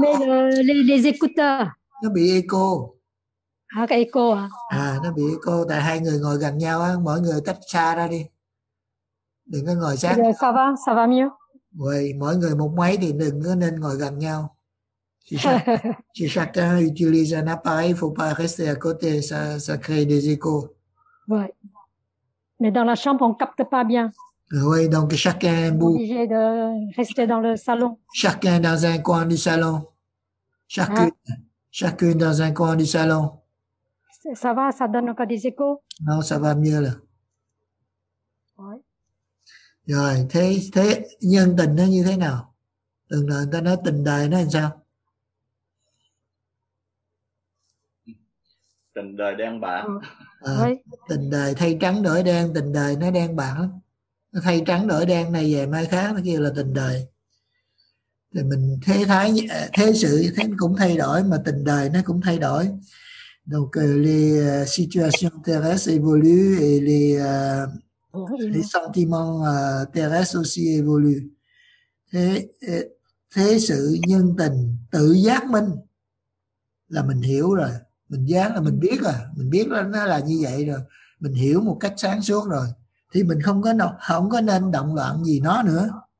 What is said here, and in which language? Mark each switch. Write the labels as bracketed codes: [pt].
[fr] Mê les écouteurs. [vi] Nó bị eco. À, cái eco à? À, nó bị eco tại hai người ngồi gần nhau á, mỗi người tách xa ra đi. Đừng có ngồi sát. [fr] Ça va mieux. [vi] Vậy mỗi người một máy thì đừng có nên ngồi gần nhau. [fr] Si chacun utilise un appareil, faut pas rester à côté, ça crée des échos. Ouais. Mais dans la chambre, on capte pas bien. Oui, donc chacun est obligé de rester dans le salon. Chacun dans un coin du salon. Chacune dans un coin du salon. Ça va, ça donne encore des échos? Non, ça va mieux là. Ouais. [vi] Rồi, thế nhân tình nó như thế nào? Từng lần ta nói tình đời nó làm sao? Tình đời đen bạc. Tình đời thay trắng đổi đen, tình đời nó đen bạc lắm. Nó thay trắng đổi đen này về mai khác nó kêu là tình đời. Thì mình thế thái thế sự thế cũng thay đổi mà tình đời nó cũng thay đổi. [fr] Donc les situations terrestres évoluent et les sentiments terrestres aussi évoluent. [vi] Thế sự nhân tình tự giác minh là mình hiểu rồi. Mình giác là mình biết rồi, mình biết nó là như vậy rồi, mình hiểu một cách sáng suốt rồi, thì mình không có nên động loạn gì nó nữa.